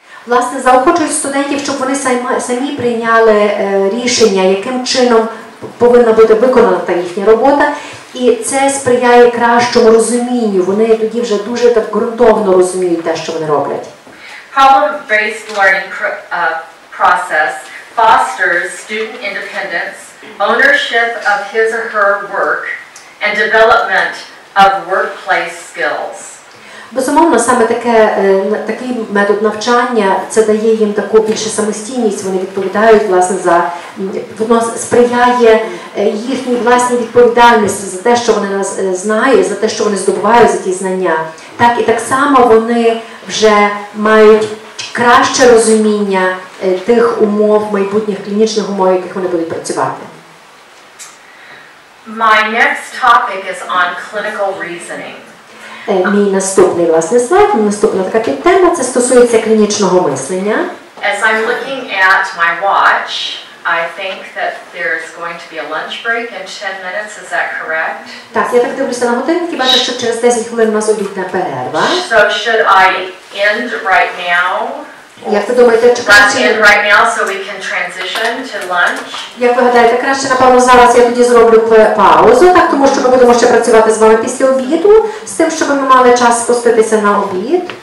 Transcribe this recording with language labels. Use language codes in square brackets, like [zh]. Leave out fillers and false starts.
[uk] Власне, заохочують студентів, щоб вони самі прийняли рішення, яким чином повинна бути виконана та їхня робота, І це сприяє кращому розумінню. Вони тоді вже дуже так ґрунтовно розуміють те, що вони роблять. [en] Problem-based learning process fosters student independence, ownership of his or her work, and development of workplace skills. [uk] Безумовно, саме таке, такий метод навчання, це дає їм таку більшу самостійність, вони відповідають, власне, за, воно сприяє їхній власній відповідальності за те, що вони нас знають, за те, що вони здобувають за ті знання. Так, і так само вони вже мають краще розуміння тих умов, майбутніх клінічних умов, яких вони будуть працювати. [en] My next topic is on clinical reasoning. [uk] Мій наступний, власне, слайд, наступна така підтема, це стосується клінічного мислення. [en] As I'm looking at my watch, I think that there's going to be a lunch break in 10 minutes, is that correct? [uk] Так, я так дивлюся на годинник і бачу, що через 10 хвилин у нас обідна перерва. [en] So should I end right now? [uk] Як ви думаєте, чи краще? [en] Let's end right now so we can transition to lunch. [uk] Як ви гадаєте, краще, напевно, зараз я тоді зроблю паузу, так, тому що ми будемо ще працювати з вами після обіду, з тим, щоб ми мали час спуститися на обід.